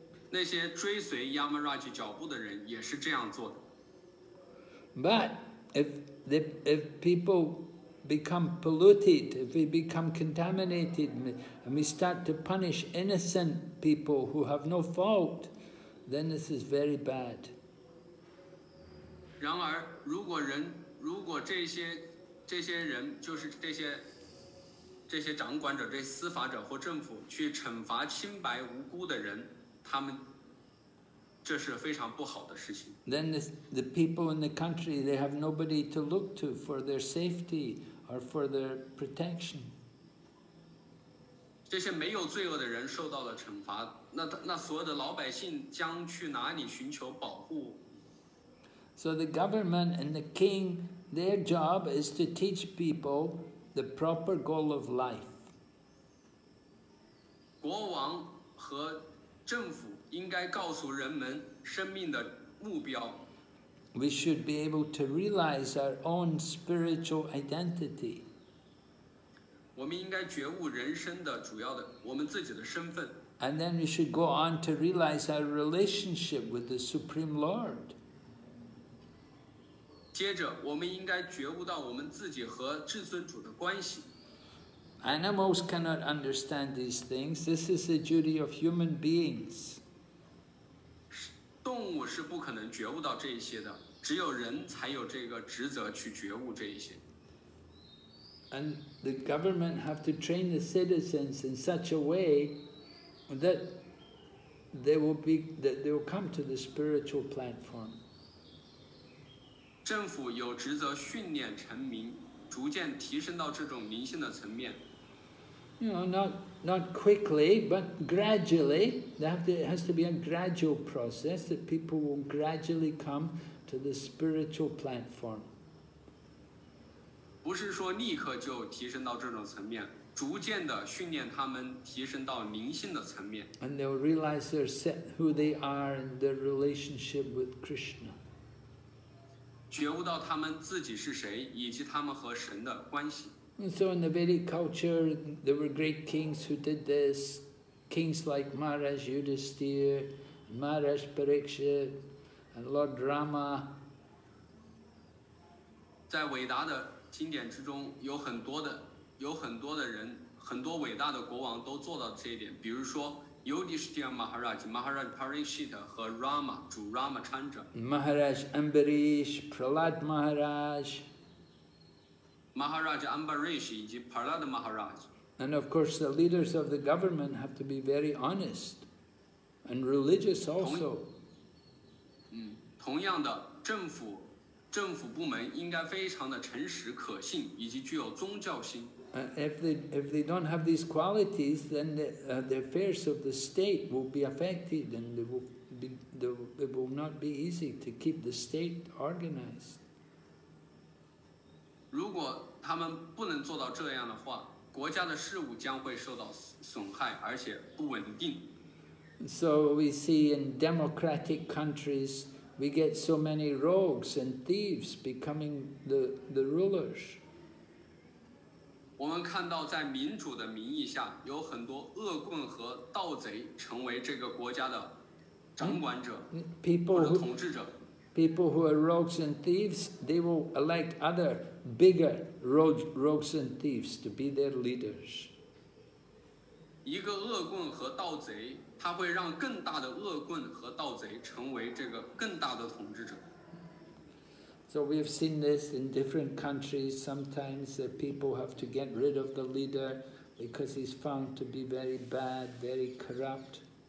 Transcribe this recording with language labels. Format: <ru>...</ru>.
<zh>那些追随 Yamaraj 脚步的人也是这样做的。</zh> <en>But if people become polluted, if we become contaminated, and we start to punish innocent people who have no fault, then this is very bad.</en> <zh>然而，如果这些人，就是这些掌管者、这些司法者或政府去惩罚清白无辜的人，他们。这是非常不好的事情。</zh> <en>Then the people in the country, they have nobody to look to for their safety or for their protection.</en> <zh>这些没有罪恶的人受到了惩罚，那所有的老百姓将去哪里寻求保护？</zh> <en>So the government and the king, their job is to teach people the proper goal of life.</en> <zh>国王和政府应该告诉人们生命的目标。</zh> <en>We should be able to realize our own spiritual identity.</en> <zh>我们应该觉悟人生的主要的，我们自己的身份。</zh> <en>And then we should go on to realize our relationship with the Supreme Lord.</en> <zh>接着，我们应该觉悟到我们自己和至尊主的关系。</zh> <en>Animals cannot understand these things. This is the duty of human beings.</en> <zh>动物是不可能觉悟到这一些的，只有人才有这个职责去觉悟这一些。</zh> <en>And the government have to train the citizens in such a way that they will come to the spiritual platform.</en> <zh>政府有职责训练臣民，逐渐提升到这种灵性的层面。</zh> <en>You know, not quickly, but gradually. It has to be a gradual process that people will gradually come to the spiritual platform.</en> <zh>不是说立刻就提升到这种层面，逐渐地训练他们提升到灵性的层面。</zh> <en>And they'll realize their set, who they are in their relationship with Krishna.</en> <zh>觉悟到他们自己是谁，以及他们和神的关系。</zh> <en>And so in the Vedic culture, there were great kings who did this. Kings like Maharaj Yudhisthira, Maharaj Parikshit, and Lord Rama.</en> <zh>在伟大的经典之中，有很多的人，很多伟大的国王都做到这一点，比如说 Yudhisthira Maharaj, Maharaj Parikshit 和 Rama, 主 Rama Chandra,</zh> <en>Maharaj Ambarish, Prahlad Maharaj,</en> <zh>Maharaj Ambarish 以及 Prahlad Maharaj.</zh> <en>And of course the leaders of the government have to be very honest and religious also.</en> <zh>同样的政府部门应该非常的诚实可信，以及具有宗教心。</zh> <en>If they don't have these qualities, then the affairs of the state will be affected, and it will not be easy to keep the state organized.</en> <zh>如果他们不能做到这样的话，国家的事务将会受到损害，而且不稳定。</zh> <en>So we see in democratic countries, we get so many rogues and thieves becoming the rulers.</en> <zh>我们看到在民主的名义下有很多恶棍和盗贼成为这个国家的掌管者或者统治者。</zh> <en>People who are rogues and thieves, they will elect other bigger rogues and thieves to be their leaders.</en> <zh>一个恶棍和盗贼，他会让更大的恶棍和盗贼成为这个更大的统治者。</zh> <en>So we have seen this in different countries. Sometimes the people have to get rid of the leader because he's found to be very bad, very corrupt.</en>